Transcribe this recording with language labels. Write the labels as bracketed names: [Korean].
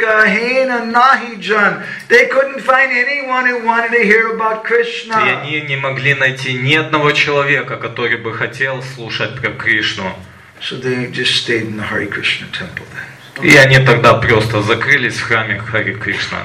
[English] They couldn't find anyone who wanted to hear about Krishna. [Russian] И они не могли найти ни одного человека, который бы хотел слушать про Кришну. [English] So they just stayed in the Hare Krishna temple then. [Russian] И они тогда просто закрылись в храме Хари Кришна.